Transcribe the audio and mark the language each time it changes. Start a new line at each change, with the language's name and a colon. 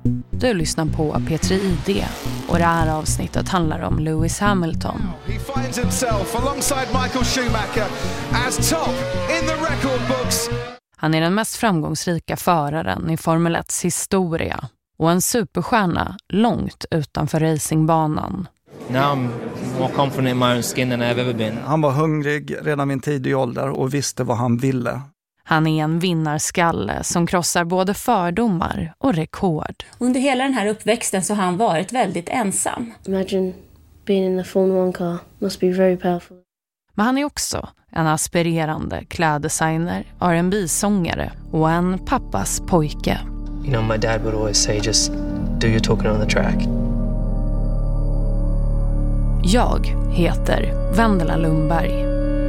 Swedish: Du lyssnar på P3 ID och det här avsnittet handlar om Lewis Hamilton.
English: He finds himself alongside Michael Schumacher as top in the record books.
Swedish: Han är den mest framgångsrika föraren i Formel 1:s historia och en superstjärna långt utanför racingbanan.
English: Now I'm more confident in my own skin than I've ever been.
Swedish: Han var hungrig redan min tidig ålder och visste vad han ville. Han är en vinnarskalle som krossar både fördomar och rekord. Under hela den här uppväxten så har han varit väldigt ensam.
English: Imagine being in a Formula One car. Must be very powerful.
Swedish: Men han är också en aspirerande kläddesigner, R&B-sångare och en pappas pojke.
English: You know, my dad would always say just do your talking on the track.
Swedish: Jag heter Vendela Lundberg.